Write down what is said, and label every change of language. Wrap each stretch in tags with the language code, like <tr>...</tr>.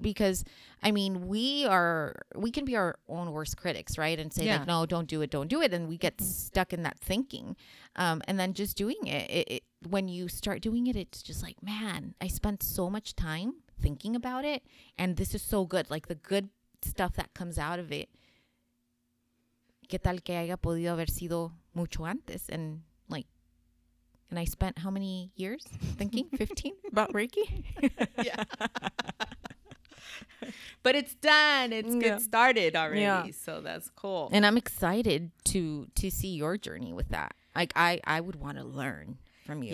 <en>Because, I mean, we can be our own worst critics, right? And say, like, no, don't do it. And we get stuck in that thinking. And then just doing it, when you start doing it, it's just like, man, I spent so much time thinking about it. And this is so good. Like, the good stuff that comes out of it.</en> <es>¿Qué tal que haya podido haber sido mucho antes?</es> <en>And like, and I spent how many years thinking? 15? About Reiki? But it's done. It's good started already. Yeah. So that's cool. And I'm excited to see your journey with that. Like, I would want to learn from you.</en>